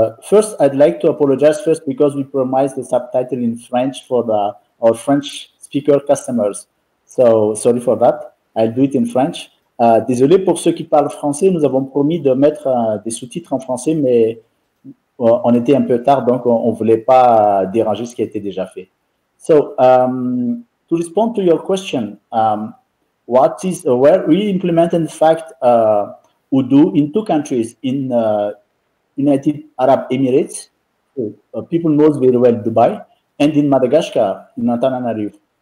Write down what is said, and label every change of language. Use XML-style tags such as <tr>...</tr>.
<en>First I'd like to apologize first because we promised the subtitle in French for our French speaker customers. So sorry for that. I'll do it in French.</en> <fr>Désolé pour ceux qui parlent français, nous avons promis de mettre des sous-titres en français, mais on était un peu tard, donc on voulait pas déranger ce qui a été déjà fait.</fr> <en>So to respond to your question, where we implement in fact Odoo in two countries, in United Arab Emirates, people know very well Dubai, and in Madagascar, in Antananarivo.</en>